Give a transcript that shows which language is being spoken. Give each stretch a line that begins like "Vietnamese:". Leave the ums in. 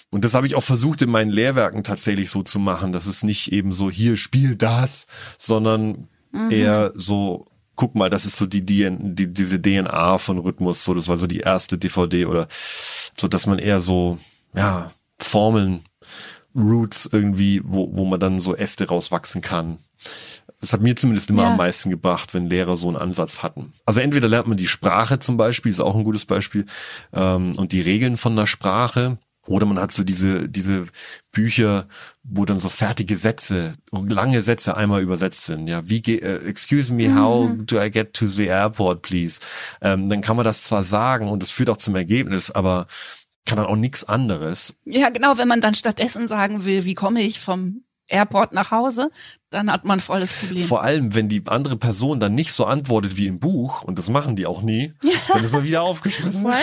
German: und das habe ich auch versucht in meinen Lehrwerken tatsächlich so zu machen, dass es nicht eben so hier spiel das, sondern eher so guck mal, das ist so die, die, die diese DNA von Rhythmus, so das war so die erste DVD oder so, dass man eher so ja Formeln, Roots irgendwie, wo wo man dann so Äste rauswachsen kann. Das hat mir zumindest immer Ja. am meisten gebracht, wenn Lehrer so einen Ansatz hatten. Also entweder lernt man die Sprache zum Beispiel, ist auch ein gutes Beispiel, ähm, und die Regeln von der Sprache. Oder man hat so diese, diese Bücher, wo dann so fertige Sätze, lange Sätze einmal übersetzt sind. Ja, wie,
English: ge- äh, excuse me, how do I get to the airport, please?
German: Ähm, dann kann man das zwar sagen und es führt auch zum Ergebnis, aber kann dann auch nichts anderes. Ja, genau, wenn man dann stattdessen sagen will, wie komme ich vom Airport nach Hause, dann hat man ein volles Problem. Vor allem, wenn die andere Person dann nicht so antwortet wie im Buch, und das machen die auch nie, dann ist man wieder aufgeschmissen.